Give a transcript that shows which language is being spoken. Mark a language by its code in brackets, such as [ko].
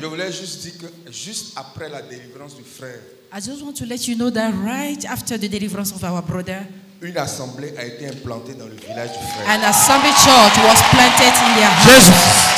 [fr] Je voulais juste dire que juste après la délivrance du frère. [en] I just want to let you know that right after the deliverance of our brother, [fr] une assemblée a été implantée dans le village du frère. [en] An assembly church was planted in their house.